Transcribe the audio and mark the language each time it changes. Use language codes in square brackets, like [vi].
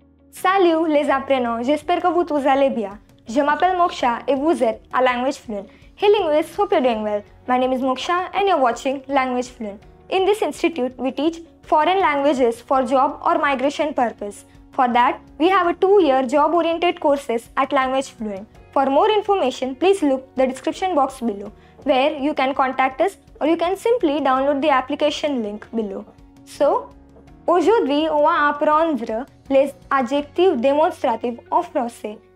[fr] Salut les apprenants, j'espère que vous tous allez bien. Je m'appelle Moksha et vous êtes à Language Fluent. [en] Hey linguists, hope you're doing well. My name is Moksha and you're watching Language Fluent. In this institute, we teach foreign languages for job or migration purpose. For that, we have a 2-year job-oriented courses at Language Fluent. For more information, please look the description box below, where you can contact us or you can simply download the application link below. [fr] So, aujourd'hui, on va apprendre les adjectifs démonstratifs en français.